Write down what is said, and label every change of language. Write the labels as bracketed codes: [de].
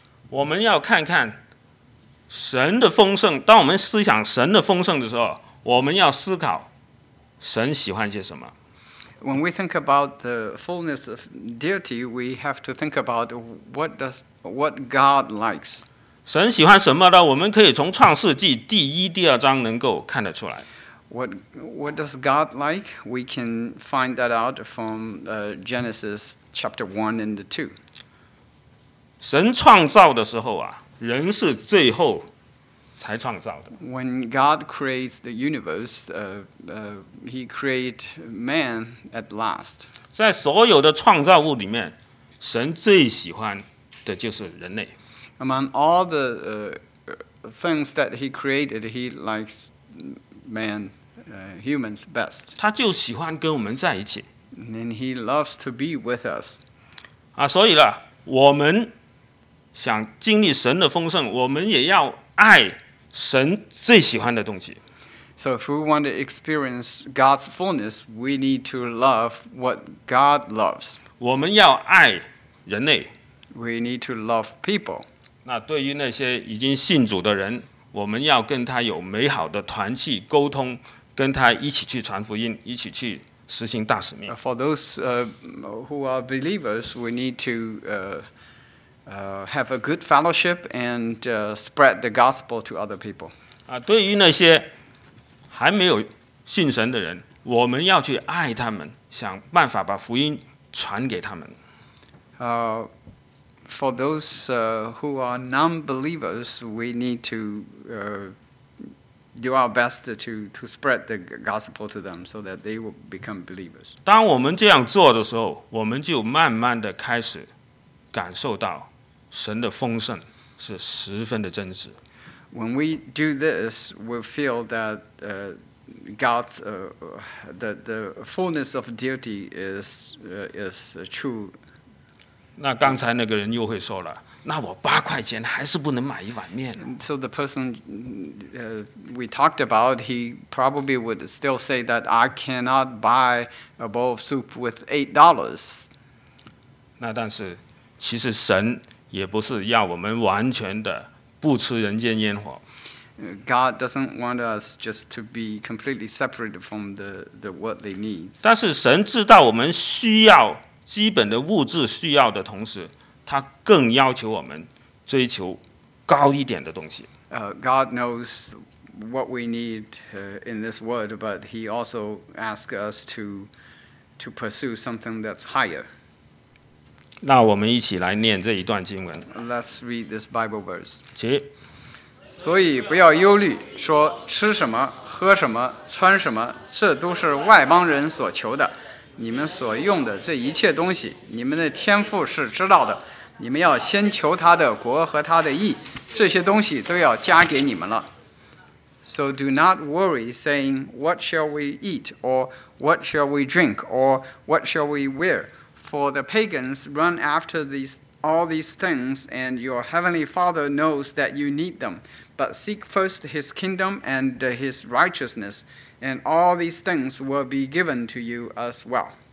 [zh] 我们要看看神的丰盛。当我们思想神的丰盛的时候，我们要思考神喜欢些什么。 [en] When we think about the fullness of deity, we have to think about what God likes. [zh] 神喜欢什么呢？我们可以从创世纪第一、第二章能够看得出来。 [en] What does God like? We can find that out from Genesis chapter 1 and 2. [zh] 神创造的时候啊，人是最后才创造的。 [en] When God creates the universe, He created man at last. [zh] 在所有的创造物里面，神最喜欢的就是人类。 [en] Among all the things that he created, he likes man, humans best. [zh] 他就喜欢跟我们在一起。 [en] And he loves to be with us. [zh] 啊，所以呢，我们想经历神的丰盛，我们也要爱神最喜欢的东西。 [en] So if we want to experience God's fullness, we need to love what God loves. [zh] 我们要爱人类。 [en] We need to love people. [zh] 那对于那些已经信主的人，我们要跟他有美好的团契沟通，跟他一起去传福音，一起去实行大使命。 [en] For those who are believers, we need to have a good fellowship and spread the gospel to other people. [zh] 啊，对于那些还没有信神的人，我们要去爱他们，想办法把福音传给他们。 [en] For those who are non-believers, we need to do our best to spread the gospel to them so that they will become believers. [zh] 当我们这样做的时候，我们就慢慢的开始感受到神的丰盛是十分的真实。 [en] When we do this, we feel that God's the fullness of deity is true. [zh] 那刚才那个人又会说了，那我八块钱还是不能买一碗面。 [en] So the person we talked about, he probably would still say that I cannot buy a bowl of soup with $8. [zh] 那但是其实神也不是要我们完全的不吃人间烟火。 [en] God doesn't want us just to be completely separated from the worldly needs. [zh] 但是神知道我们需要基本的物质需要的同时，他更要求我们追求高一点的东西。 [en] God knows what we need in this world, but he also asks us to pursue something that's higher. [zh] 那我们一起来念这一段经文。 [en] Let's read this Bible verse. [zh] 请。所以不要忧虑，说吃什么、喝什么、穿什么，这都是外邦人所求的。你们所用的这一切东西，你们的天父是知道的。你们要先求他的国和他的义，这些东西都要加给你们了。 [en] So do not worry, saying, "What shall we eat?" or "What shall we drink?" or "What shall we wear?" For the pagans run after all these things, and your heavenly Father knows that you need them. But seek first his kingdom and his righteousness, and all these things will be given to you as well.